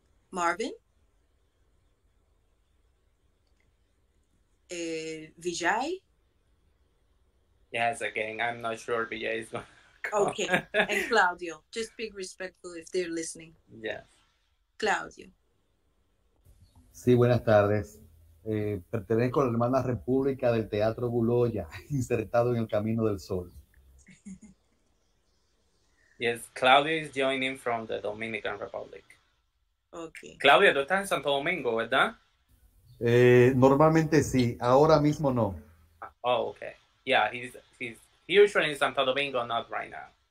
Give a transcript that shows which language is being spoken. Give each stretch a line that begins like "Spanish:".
English: Marvin? Vijay? Yes, again, I'm not sure Vijay is going. Okay, and Claudio, just be respectful if they're listening. Yes. Claudio.
Spanish: Sí, buenas tardes. Pertenezco a la hermana República del Teatro Buloya, insertado en el Camino del Sol.
English: Yes, Claudio is joining from the Dominican Republic. Okay.
Spanish: Claudio, tú estás en Santo Domingo, ¿verdad? Normalmente sí, ahora mismo no.
English: Oh, okay. Yeah, he's usually in Santo Domingo, not right now.